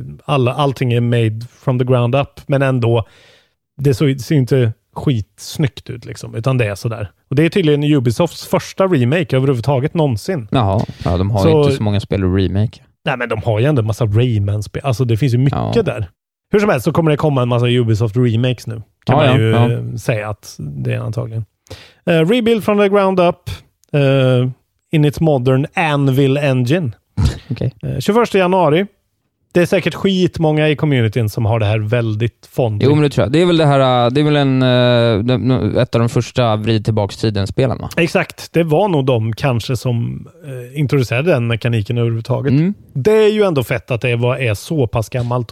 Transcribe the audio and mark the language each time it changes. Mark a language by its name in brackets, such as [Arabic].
[Swedish] Allting är [English] made from the ground up. [Swedish] Men ändå, det ser inte skitsnyggt ut liksom, utan det är sådär. Och det är tydligen Ubisofts första remake överhuvudtaget någonsin. Jaha, ja, de har inte så många spel remake. Nej, men de har ju ändå en massa Rayman-spel. Alltså, det finns ju mycket där. Hur som helst så kommer det komma en massa Ubisoft remakes nu. Kan man ju säga att det är antagligen. [English] Rebuild from the ground up in its modern Anvil engine. [Swedish] Okay. 21 januari. Det är säkert skitmånga i communityn som har det här väldigt fondigt. Jo, men det tror jag. Det är väl det här, det är väl ett av de första vrid tillbaks tiden spelarna. Exakt. Det var nog de kanske som introducerade den mekaniken överhuvudtaget. Mm. Det är ju ändå fett att det är så pass gammalt.